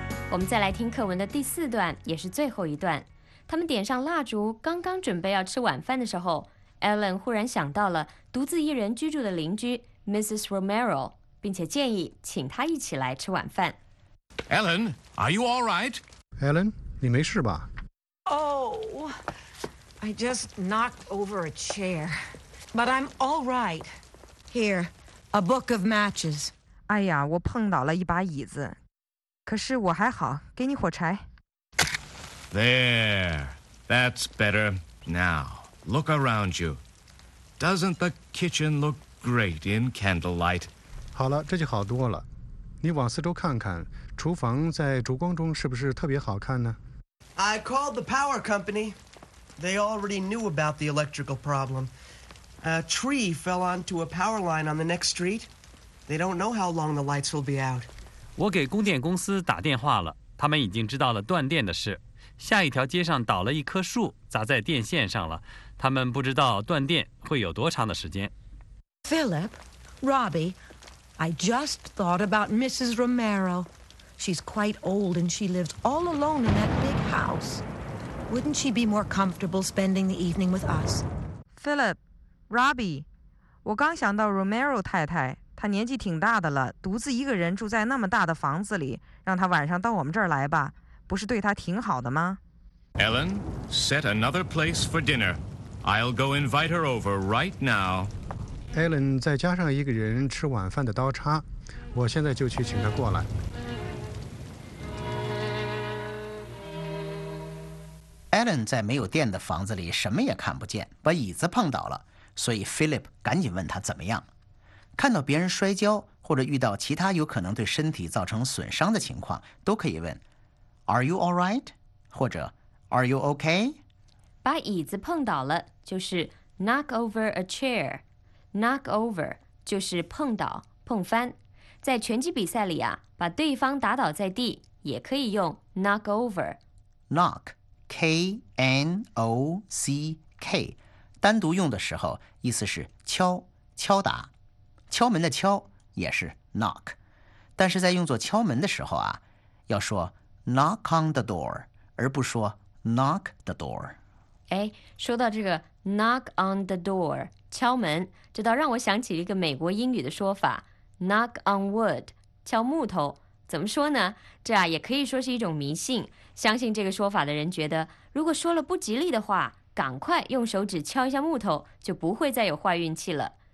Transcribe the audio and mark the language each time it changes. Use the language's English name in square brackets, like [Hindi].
[Chinese] 我们再来听课文的第四段，也是最后一段。他们点上蜡烛，刚刚准备要吃晚饭的时候， Ellen 忽然想到了独自一人居住的邻居 Mrs. Romero， 并且建议请他一起来吃晚饭。 [English] Ellen, are you all right? [Chinese] Ellen, 你没事吧？ [English] Oh, I just knocked over a chair. But I'm all right. Here, a book of matches. [Chinese] 哎呀，我碰倒了一把椅子。可是我还好，给你火柴。 [English] There, that's better. Now, look around you. Doesn't the kitchen look great in candlelight? [Chinese] 好了，这就好多了。你往四周看看，厨房在烛光中是不是特别好看呢？ [English] I called the power company. They already knew about the electrical problem. A tree fell onto a power line on the next street. They don't know how long the lights will be out. [Chinese] 我给供电公司打电话了，他们已经知道了断电的事。下一条街上倒了一棵树，砸在电线上了，他们不知道断电会有多长的时间。 [English] Philip, Robbie,I just thought about Mrs. Romero. She's quite old and she lives all alone in that big house. Wouldn't she be more comfortable spending the evening with us? [Chinese] Philip, Robbie, 我刚想到 Romero 太太，她年纪挺大的了，独自一个人住在那么大的房子里，让她晚上到我们这儿来吧，不是对她挺好的吗？ [English] Ellen, set another place for dinner. I'll go invite her over right now. [Chinese] Ellen 再加上一个人吃晚饭的刀叉，我现在就去请他过来。 Ellen 在没有电的房子里什么也看不见，把椅子碰倒了，所以 Philip 赶紧问他怎么样。看到别人摔跤或者遇到其他有可能对身体造成损伤的情况，都可以问 [English] Are you all right? 或者 Are you okay? [Chinese] 把椅子碰倒了就是 [English] knock over a chair。 [Chinese] Knock over 就是碰倒、碰翻，在拳击比赛里啊，把对方打倒在地，也可以用 knock over。 Knock, K-N-O-C-K， 单独用的时候，意思是敲、敲打，敲门的敲也是 knock， 但是在用作敲门的时候啊，要说 [English] knock on the door， [Chinese] 而不说 [English] knock the door。 [Chinese] 哎，说到这个 [English] knock on the door。 [Chinese] 敲门，这倒让我想起一个美国英语的说法 [English] knock on wood， [Chinese] 敲木头。怎么说呢？这啊也可以说是一种迷信，相信这个说法的人觉得如果说了不吉利的话，赶快用手指敲一下木头，就不会再有坏运气了。